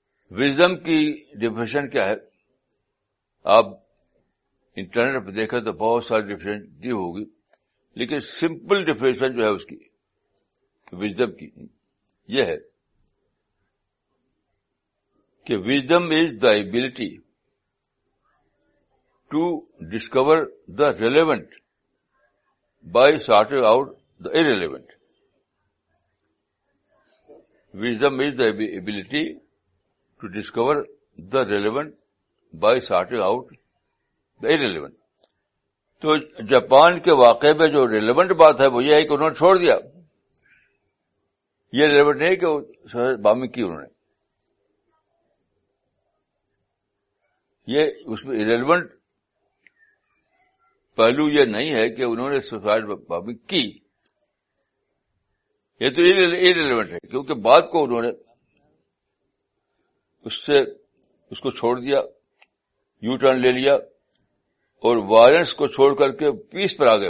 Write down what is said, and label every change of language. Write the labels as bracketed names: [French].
[Urdu] Wisdom کی definition کیا ہے؟ آپ انٹرنیٹ پہ دیکھیں تو بہت ساری ڈیفینیشن دی ہوگی, لیکن سمپل ڈیفینیشن جو ہے اس کی وزڈم کی یہ ہے کہ [English] Wisdom is the ability to discover the relevant by sorting out the irrelevant. Wisdom is the ability to discover the relevant by sorting out the irrelevant. [Urdu] تو جاپان کے واقعے میں جو ریلیونٹ بات ہے وہ یہ ہے کہ انہوں نے چھوڑ دیا, یہ ریلیونٹ نہیں کہ بامنگ کی انہوں نے, یہ اس میں ریلیونٹ پہلو یہ نہیں ہے کہ انہوں نے سوسائڈ بامنگ کی, یہ تو ایریلیونٹ ہے کیونکہ بات کو انہوں نے اس سے اس کو چھوڑ دیا, یو ٹرن لے لیا اور وائلنس کو چھوڑ کر کے پیس پر آ گئے.